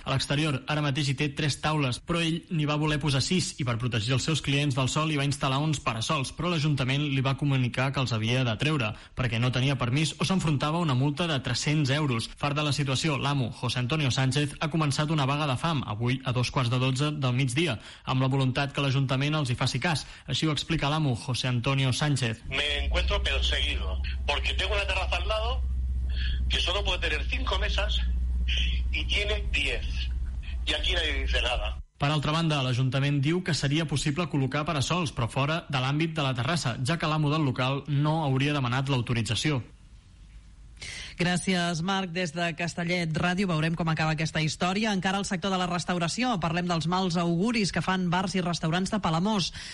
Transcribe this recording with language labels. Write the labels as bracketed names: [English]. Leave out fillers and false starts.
[Catalan] A l'exterior, ara mateix hi té 3 taules, però ell n'hi va voler posar 6 i per protegir els seus clients del sol hi va instal·lar uns parasols, però l'Ajuntament li va comunicar que els havia de treure perquè no tenia permís o s'enfrontava a una multa de 300 euros. Fart de la situació, l'amo, José Antonio Sánchez, ha començat una vaga de fam avui a 11:45 del migdia, amb la voluntat que l'Ajuntament els y faci cas. Així ho explica l'amo, José Antonio Sánchez. [Spanish] Me encuentro perseguido porque tengo una terraza al lado que solo puede tener 5 mesas y tiene 10. Y aquí nadie dice nada. [Catalan] Per altra banda, l'Ajuntament diu que seria possible col·locar parasols, però fora de l'àmbit de la terrassa, ja que l'amo del local no hauria demanat l'autorització. Gràcies, Marc. Des de Castellet Ràdio veurem com acaba aquesta història. Encara al sector de la restauració, parlem dels mals auguris que fan bars i restaurants de Palamós.